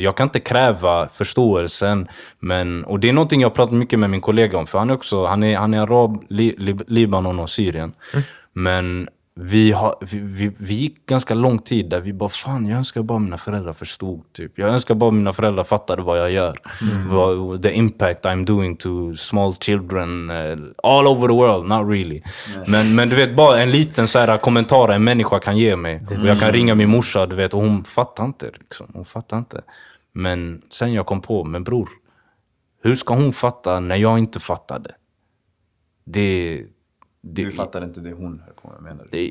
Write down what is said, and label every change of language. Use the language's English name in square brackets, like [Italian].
[Swedish] Jag kan inte kräva förståelsen, men, och det är någonting jag har pratat mycket med min kollega om, för han är också, han är arab, Libanon och Syrien, men vi gick ganska lång tid där vi bara, fan, jag önskar bara mina föräldrar förstod, typ. Jag önskar bara mina föräldrar fattade vad jag gör. Mm. [English] The impact I'm doing to small children all over the world. Not really. [Swedish] Men du vet, bara en liten så här kommentar en människa kan ge mig. Mm. Jag kan ringa min morsa, du vet, och hon fattar inte, liksom. Hon fattar inte. Men sen jag kom på, men bror, hur ska hon fatta när jag inte fattade? Det, du fattar inte det hon höll på med, menar du?